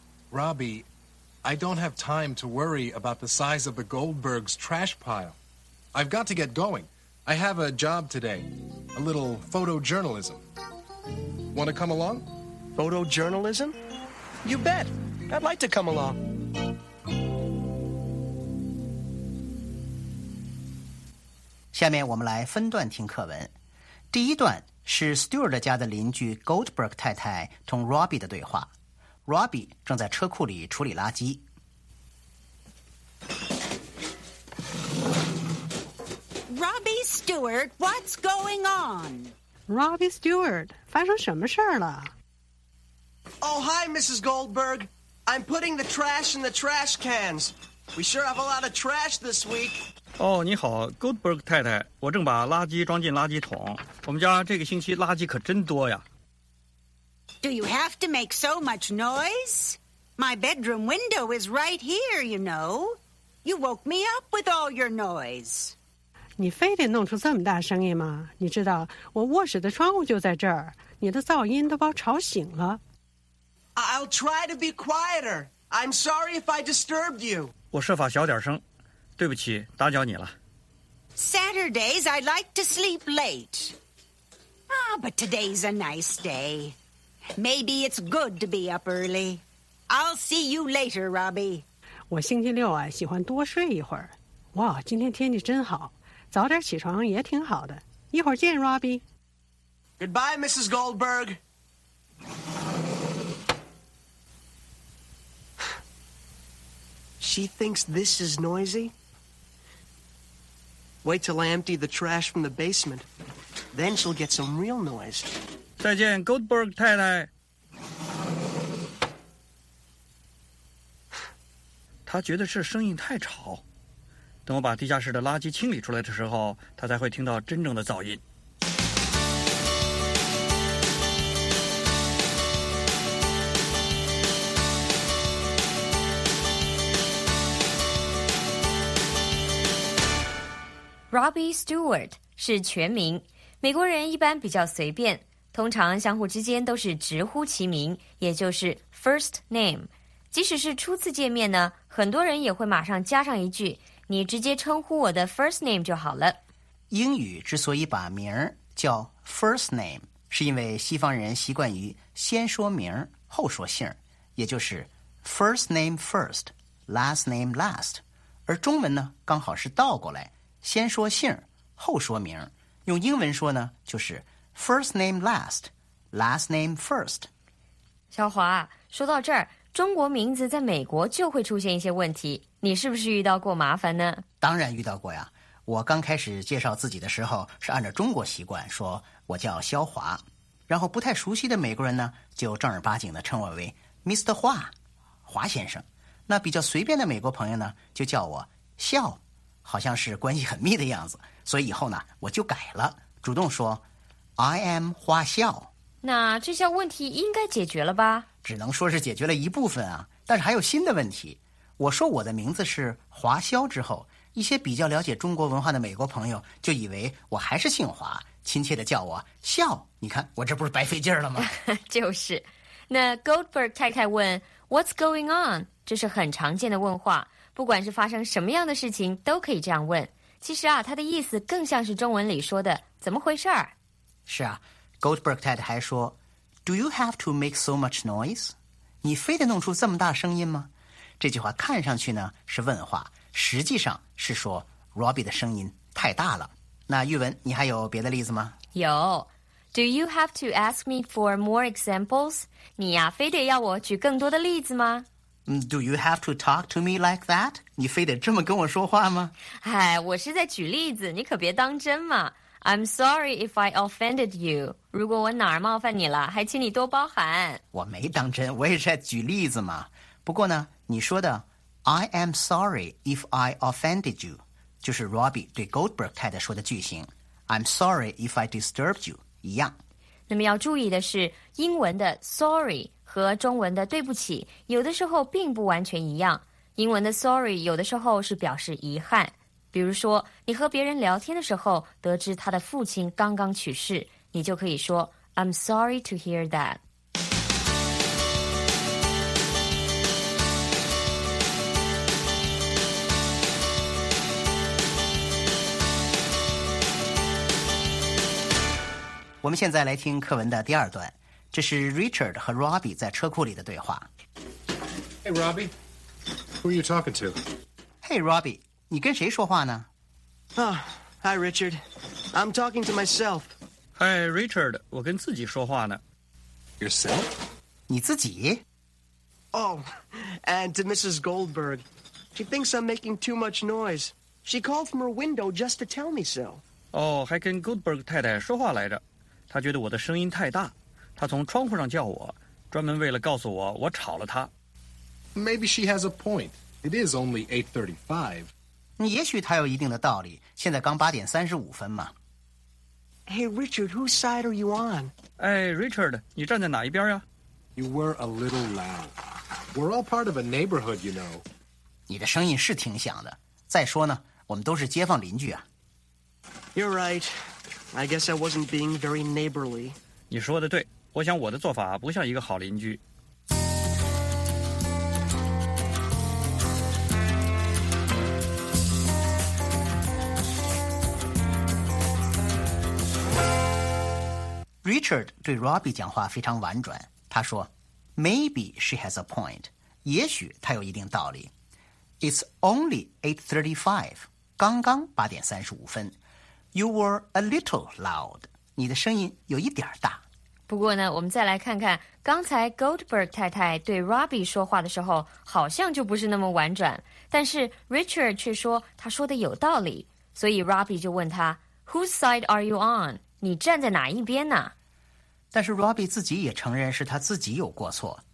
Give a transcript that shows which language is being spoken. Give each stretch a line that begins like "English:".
English: Robbie, I don't have time to worry about the size of the Goldbergs' trash pile. I've got to get going. I have a job today. A little photojournalism. Want to come along? Photojournalism? You bet. I'd like to come along.
Chinese: 下面我们来分段听课文。第一段是 Stewart 家的邻居 Goldberg 太太同 Robbie 的对话。 Robbie 正在车库里处理垃圾。
English: Robbie Stewart, what's going on?
Chinese: Robbie Stewart, 发生什么事了？
English: Oh, hi, Mrs. Goldberg. I'm putting the trash in the trash cans. We sure have a lot of trash this week. Oh,
Chinese: 你好 ,Goldberg 太太。我正把垃圾装进垃圾桶。我们家这个星期垃圾可真多呀。
English: Do you have to make so much noise? My bedroom window is right here, you know. You woke me up with all your noise.
Chinese: 你非得弄出这么大声音吗？你知道我卧室的窗户就在这儿，你的噪音都把我吵醒了。
English: I'll try to be quieter. I'm sorry if I disturbed you.
Chinese: 我设法小点声，对不起，打搅你了。
English: Saturdays I like to sleep late. Ah, but today's a nice day. Maybe it's good to be up early. I'll see you later, Robbie.
Chinese: 我星期六啊，喜欢多睡一会儿。哇，今天天气真好。早点起床也挺好的。一会儿见 ，Robbie。
English: Goodbye, Mrs. Goldberg. She thinks this is noisy. Wait till I empty the trash from the basement. Then she'll get some real noise.
Chinese: 再见 ，Goldberg 太太。她觉得这声音太吵。等我把地下室的垃圾清理出来的时候，他才会听到真正的噪音。 Robbie Stewart 是全名，美国人一般比较随便，通常相互之间都是直呼其名，也就是 first name。即使是初次见面呢，很多人也会马上加上一句。你直接称呼我的 first name 就好了。英语之所以把名儿叫 first name， 是因为西方人习惯于先说名儿后说姓儿，也就是 first name first， last name last。而中文呢，刚好是倒过来，先说姓儿后说名儿。用英文说呢，就是 first name last， last name first。小华，说到这儿，中国名字在美国就会出现一些问题。你是不是遇到过麻烦呢？当然遇到过呀。我刚开始介绍自己的时候是按照中国习惯说我叫肖华，然后不太熟悉的美国人呢就正儿八经的称我为 Mr. 华，华先生。那比较随便的美国朋友呢就叫我肖，好像是关系很密的样子，所以以后呢我就改了，主动说
English: I am
Chinese: 华肖。那这下问题应该解决了吧？只能说是解决了一部分啊，但是还有新的问题。我说我的名字是华肖之后，一些比较了解中国文化的美国朋友就以为我还是姓华，亲切地叫我肖。你看我这不是白费劲儿了吗？就是。那 Goldberg 太太问
English: What's going on?
Chinese: 这是很常见的问话，不管是发生什么样的事情都可以这样问。其实啊，他的意思更像是中文里说的怎么回事儿。是啊， Goldberg 太太还说
English: Do you have to make so much noise?
Chinese: 你非得弄出这么大声音吗？这句话看上去呢是问话，实际上是说 Robbie 的声音太大了。那玉文，你还有别的例子吗？有。
English: Do you have to ask me for more examples?
Chinese: 你呀非得要我举更多的例子吗？
English: Do you have to talk to me like that?
Chinese: 你非得这么跟我说话吗？哎，我是在举例子，你可别当真嘛。
English: I'm sorry if I offended you.
Chinese: 如果我哪儿冒犯你了，还请你多包涵。我没当真，我也是在举例子嘛。不过呢，你说的
English: I am sorry if I offended you
Chinese: 就是 Robbie 对 Goldberg 太太说的句型
English: I'm sorry if I disturbed you
Chinese: 一样。那么要注意的是，英文的 sorry 和中文的对不起有的时候并不完全一样。英文的 sorry 有的时候是表示遗憾，比如说你和别人聊天的时候得知他的父亲刚刚去世，你就可以说
English: I'm sorry to hear that。
Chinese: 我们现在来听课文的第二段，这是 Richard 和 Robbie 在车库里的对话。
English: Hey Robbie, who are you talking to? Hey
Chinese: Robbie, 你跟谁说话呢？啊、
English: oh, Hi, Richard. I'm talking to myself. Hi,
Chinese: Richard. 我跟自己说话呢。
English: Yourself?
Chinese: 你自己？
English: Oh, and to Mrs. Goldberg. She thinks I'm making too much noise. She called from her window just to tell me so.
Chinese: 哦，还跟 Goldberg 太太说话来着。她觉得我的声音太大。她从窗户上叫我，专门为了告诉我我吵了她。
English: Maybe she has a point. It is only 8:35.
Chinese: 也许她有一定的道理。现在刚8:35嘛。
English: Hey, Richard, whose side are you on? Hey,
Chinese: Richard, 你站在哪一边呀？
English: You were a little loud. We're all part of a neighborhood, you know.
Chinese: 你的声音是挺响的。再说呢，我们都是街坊邻居啊。
English: You're right. I guess I wasn't being very neighborly.
Chinese: 你说的对，我想我的做法不像一个好邻居。 Richard 对 Robbie 讲话非常婉转，他说
English: Maybe she has a point，
Chinese: 也许她有一定道理。
English: It's only 8:35，
Chinese: 刚刚
English: 8:35。 You were a little loud，
Chinese: 你的声音有一点大。不过呢，我们再来看看刚才 Goldberg 太太对 Robbie 说话的时候好像就不是那么婉转，但是 Richard 却说他说的有道理，所以 Robbie 就问他
English: Whose side are you on？
Chinese: 你站在哪一边呢？但是 Robbie 自己也承认是他自己有过错。